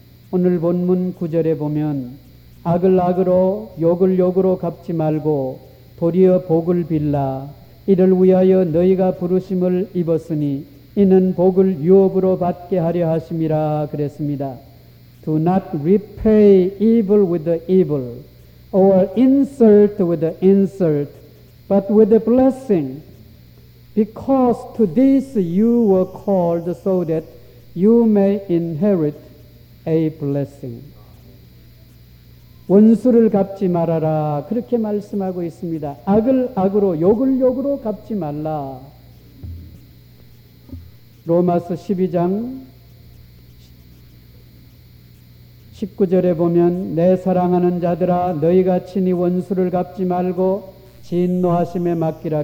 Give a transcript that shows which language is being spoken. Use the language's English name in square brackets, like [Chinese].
[Korean] 오늘 본문 9절에 보면 악을 악으로 욕을 욕으로 갚지 말고 도리어 복을 빌라. 이를 위하여 너희가 부르심을 입었으니 이는 복을 유업으로 받게 하려 하심이라 그랬습니다. [English] Do not repay evil with the evil or insult with the insult, but with the blessing, because to this you were called so that you may inherit a blessing. [Korean] 원수를 갚지 말아라, 그렇게 말씀하고 있습니다. 악을 악으로, 욕을 욕으로 갚지 말라. 로마서 12장 19절에 보면 내 사랑하는 자들아 너희가 친히 원수를 갚지 말고 진노하심에 맡기라.